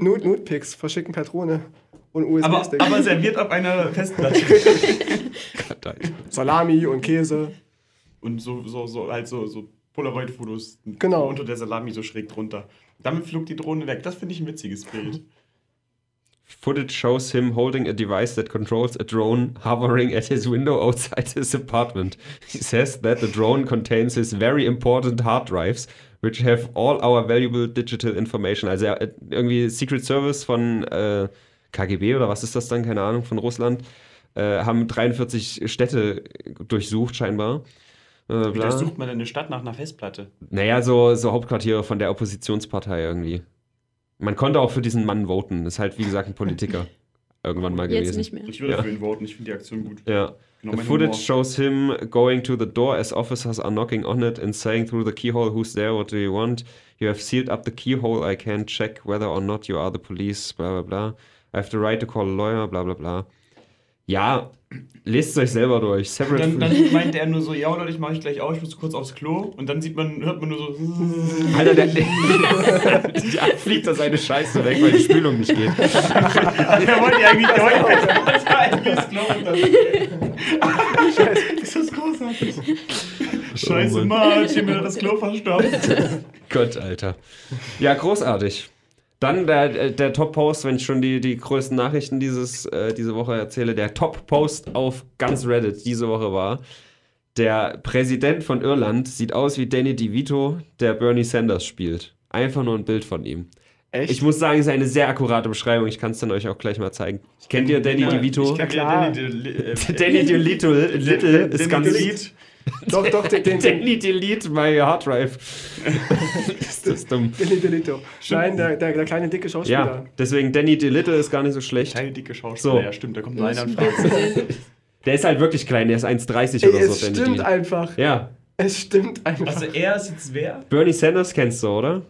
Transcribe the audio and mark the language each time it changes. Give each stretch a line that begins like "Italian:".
German: Nude-Picks verschicken per Drohne. Und USB-Stick. Aber serviert auf einer Festplatte. Salami und Käse. Und so halt so Polaroid-Fotos. Genau. Unter der Salami so schräg drunter. Damit flog die Drohne weg. Das finde ich ein witziges Bild.
English: Footage shows him holding a device that controls a drone hovering at his window outside his apartment. He says that the drone contains his very important hard drives, which have all our valuable digital information.
German: Also irgendwie Secret Service von KGB oder was ist das dann, keine Ahnung, von Russland, haben 43 Städte durchsucht scheinbar. Wie sucht man denn eine Stadt nach einer Festplatte? Naja, so Hauptquartiere von der Oppositionspartei irgendwie. Man konnte auch für diesen Mann voten. Ist halt, wie gesagt, ein Politiker. Irgendwann mal gewesen. Jetzt nicht mehr. Ich würde für ihn voten. Ich finde die Aktion gut. Ja.
English: The footage shows him going to the door as officers are knocking on it and saying through the keyhole, who's there, what do you want? You have sealed up the keyhole. I can't check whether or not you are the police. Blah, blah, blah. I have the right to call a lawyer. Blah, blah, blah.
German: Ja, lest es euch selber durch. Dann meint er nur so, ja Leute, ich mache ich gleich auch, ich muss kurz aufs Klo. Und dann hört man nur so. Alter, fliegt da seine Scheiße weg, weil die Spülung nicht geht. Der wollte eigentlich deutlich. Das war eigentlich das Klo. Scheiße, das ist großartig. Scheiße, oh Mann, ich habe mir das Klo verstopft. Gott, Alter. Ja, großartig. Dann der Top-Post, wenn ich schon die größten Nachrichten diese Woche erzähle, der Top-Post auf ganz Reddit diese Woche war, der Präsident von Irland sieht aus wie Danny DeVito, der Bernie Sanders spielt. Einfach nur ein Bild von ihm. Echt? Ich muss sagen, es ist eine sehr akkurate Beschreibung. Ich kann es dann euch auch gleich mal zeigen. Kennt ihr Danny DeVito? Danny DeLittle Little ist ganz süß. Doch,
English: Danny DeLittle, my hard drive.
German: Das ist dumm. Danny DeLittle. Nein, der kleine, dicke Schauspieler. Ja, deswegen, Danny DeLittle ist gar nicht so schlecht. Kleine, dicke Schauspieler, so. Ja, stimmt, da kommt nur einer in Frage. Der ist halt wirklich klein, der ist 1,30 oder es so. Es stimmt einfach. Ja. Es stimmt einfach. Also er ist jetzt wer? Bernie Sanders kennst du, oder?